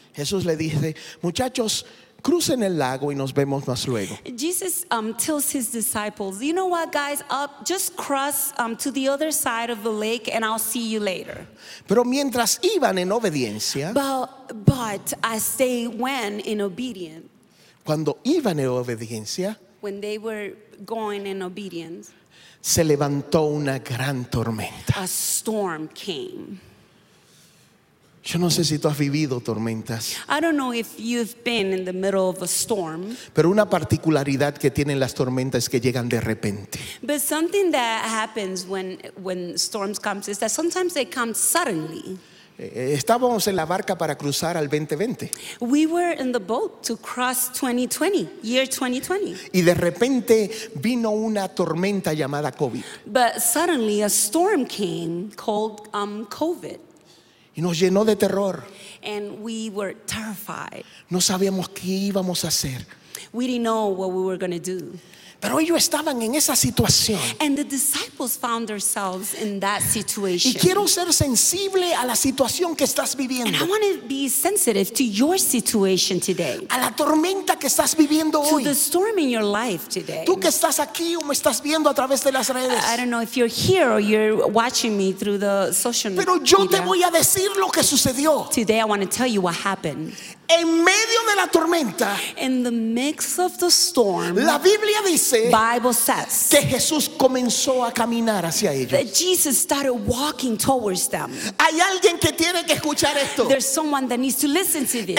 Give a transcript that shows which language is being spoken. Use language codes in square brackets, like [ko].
[es] Jesús le dice, muchachos, crucen el lago y nos vemos más luego. [en] Jesus tells his disciples, you know what, guys, I'll just cross to the other side of the lake and I'll see you later. [es] Pero mientras iban en obediencia, [en] but as they went in obedience, [es] cuando iban en obediencia, [en] when they were going in obedience, [es] se levantó una gran tormenta. [en] A storm came. [es] Yo no sé si tú has vivido tormentas. [en] I don't know if you've been in the middle of a storm. [es] Pero una particularidad que tienen las tormentas es que llegan de repente. [en] But something that happens when storms come is that sometimes they come suddenly. [es] Estábamos en la barca para cruzar al 2020. [en] We were in the boat to cross 2020, year 2020. [es] Y de repente vino una tormenta llamada COVID. [en] But suddenly a storm came called COVID. [es] Y nos llenó de terror. [en] And we were terrified. [es] No sabíamos qué íbamos a hacer. [en] We didn't know what we were going to do. [es] Pero ellos estaban en esa situación. [en] And the disciples found themselves in that situation. [es] Y quiero ser sensible a la situación que estás viviendo. [en] And I want to be sensitive to your situation today. [es] A la tormenta que estás viviendo [en] to [es] hoy. [en] To the storm in your life today. [es] Tú que estás aquí o me estás viendo a través de las redes. [en] I don't know if you're here or you're watching me through the social media. [es] Pero yo te voy a decir lo que sucedió. [en] Today I want to tell you what happened. [es] En medio de la tormenta, [en] in the midst of the storm, [es] la Biblia dice, [en] Bible says, [es] que Jesús comenzó a caminar hacia ellos. [en] That Jesus started walking towards them. [es] Hay alguien que tiene que escuchar esto. [en] There's someone that needs to listen to this.